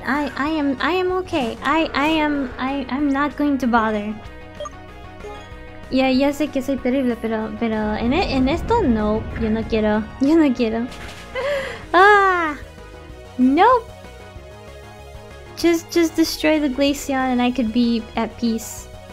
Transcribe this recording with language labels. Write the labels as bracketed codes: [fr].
[en] I am okay. I'm not going to bother. [es] Ya sé que soy terrible, pero en esto no, yo no quiero. [en] Ah. Nope. Just destroy the Glaceon and I could be at peace.